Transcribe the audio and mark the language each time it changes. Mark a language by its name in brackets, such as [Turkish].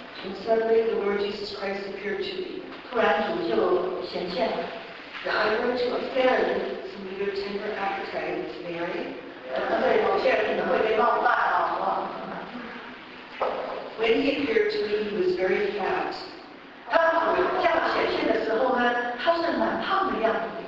[English] And suddenly the Lord Jesus Christ appeared to me. [Chinese] 突然主就显现了。 [English] Now I'm going to offend some of your temper appetites, may I? [Chinese] 对，某些人可能会被冒犯啊，好不好？ [English] When he appeared to me, he was very fat. [Chinese] 当主向我显现的时候呢，他是蛮胖的样子。